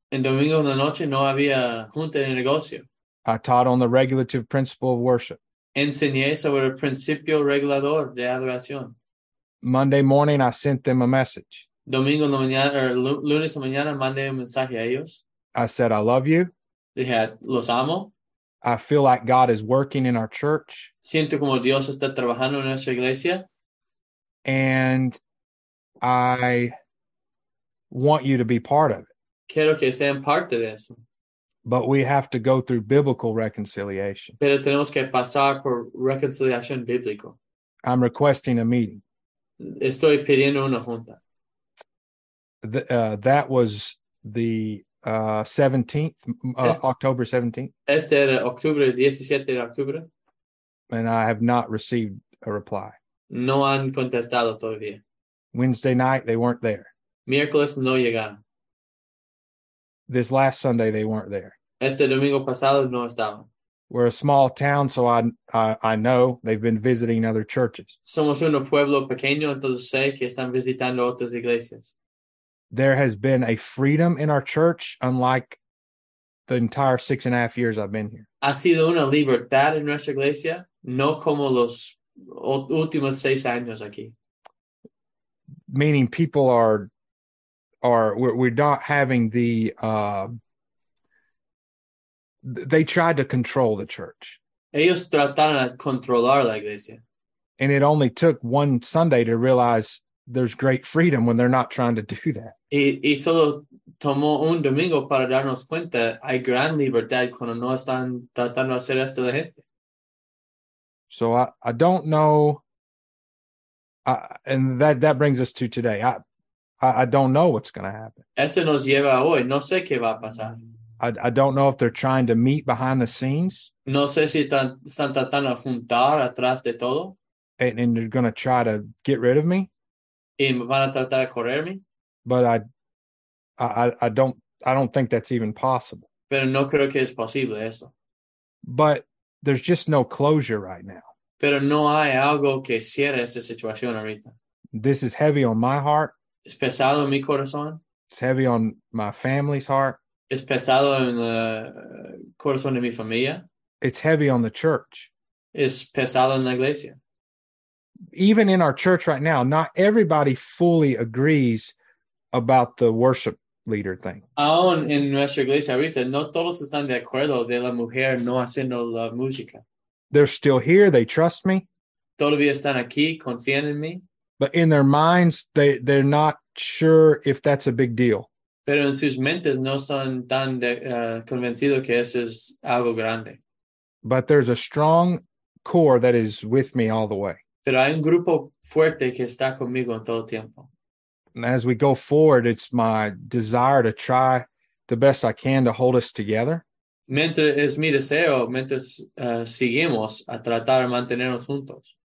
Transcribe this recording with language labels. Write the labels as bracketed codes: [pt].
[es] En domingo en la noche no había junta de negocio. [en] I taught on the regulative principle of worship. [es] Enseñé sobre el principio regulador de adoración. [en] Monday morning, I sent them a message. [es] Domingo en la mañana, or lunes en la mañana, mandé un mensaje a ellos. [en] I said, I love you. [es] Dije, los amo. [en] I feel like God is working in our church. [es] Siento como Dios está trabajando en nuestra iglesia. [en] And I want you to be part of it. [es] Quiero que sean parte de eso. [en] But we have to go through biblical reconciliation. [es] Pero tenemos que pasar por reconciliación bíblica. [en] I'm requesting a meeting. [es] Estoy pidiendo una junta. [en] That was the 17th, October 17th. [es] Este era octubre, 17 de octubre. [en] And I have not received a reply. [es] No han contestado todavía. [en] Wednesday night, they weren't there. [es] Miércoles, no llegaron. [en] This last Sunday, they weren't there. [es] Este domingo pasado, no estaban. [en] We're a small town, so I know they've been visiting other churches. [es] Somos un pueblo pequeño, entonces sé que están visitando otras iglesias. [en] There has been a freedom in our church, unlike the entire 6.5 years I've been here. [es] Ha sido una libertad en nuestra iglesia, no como los últimos 6 años aquí. [en] Meaning people we're not having the, they tried to control the church. [es] Ellos trataron de controlar la iglesia. [en] And it only took one Sunday to realize there's great freedom when they're not trying to do that. [es] Y solo tomó un domingo para darnos cuenta, hay gran libertad cuando no están tratando de hacer esto la gente. [en] So I don't know, and that brings us to today. I don't know what's going to happen. [es] Eso nos lleva hoy, no sé qué va a pasar. [en] I don't know if they're trying to meet behind the scenes. [es] No sé si están tratando de juntar atrás de todo. [en] And they're going to try to get rid of me. [es] Y me van a tratar de correrme. [en] But I don't think that's even possible. [es] Pero no creo que es posible eso. [en] But there's just no closure right now. [es] Pero no hay algo que cierre esta situación ahorita. [en] This is heavy on my heart. [es] Es pesado en mi corazón. [en] It's heavy on my family's heart. [es] Es pesado en el corazón de mi familia. [en] It's heavy on the church. [es] Es pesado en la iglesia. [en] Even in our church right now, not everybody fully agrees about the worship leader thing. [es] Aún en nuestra iglesia ahorita, no todos están de acuerdo de la mujer no haciendo la música. [en] They're still here. They trust me. [es] Todavía están aquí, confían en mí. [en] But in their minds, they're not sure if that's a big deal. [es] Pero en sus mentes no son tan convencidos que eso es algo grande. [en] But there's a strong core that is with me all the way. [es] Pero hay un grupo fuerte que está conmigo en todo tiempo. [en] And as we go forward, it's my desire to try the best I can to hold us together. [es] Mientras es mi deseo, mientras seguimos a tratar de mantenernos juntos.